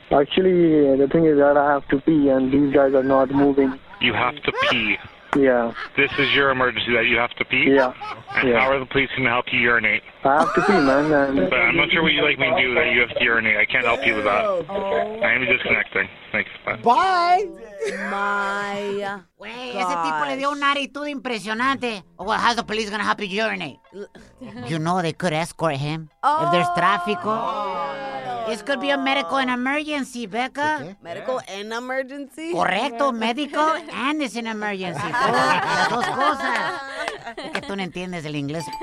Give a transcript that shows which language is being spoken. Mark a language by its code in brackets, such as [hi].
[en] Actually, the thing is that I have to pee and these guys are not moving. You have to pee? Yeah. This is your emergency that you have to pee? Yeah. And how are the police going to help you urinate? I have to pee, man. But I'm not sure what you like me to do that you have to urinate. I can't help you with that. I am disconnecting. Thanks. Bye. My [es] Wey, ese tipo le dio una actitud impresionante. [en] Well, how's the police going to help you urinate? You know they could escort him if there's tráfico. This could be a medical and emergency, Becca. Okay. Medical and emergency? [es] Correcto, [en] medical and it's an emergency. [es] Las dos cosas. Es que tú no entiendes el inglés.